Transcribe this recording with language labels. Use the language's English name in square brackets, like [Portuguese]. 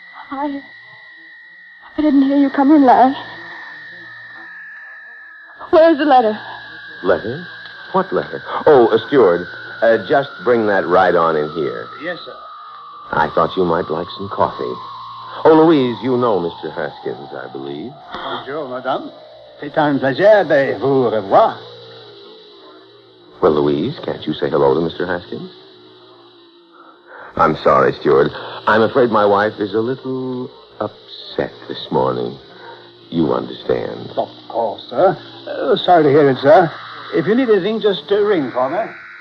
[English] I didn't hear you come in, Larry. Where's the letter? Letter? What letter? Oh, a steward. Just bring that right on in here. Yes, sir. I thought you might like some coffee. Oh, Louise, you know Mr. Haskins, I believe. [French] Bonjour, madame. C'est un plaisir de vous revoir. [English] Well, Louise, can't you say hello to Mr. Haskins? I'm sorry, steward. I'm afraid my wife is a little upset this morning. You understand. Of course, sir. Sorry to hear it, sir. If you need anything, just ring for me.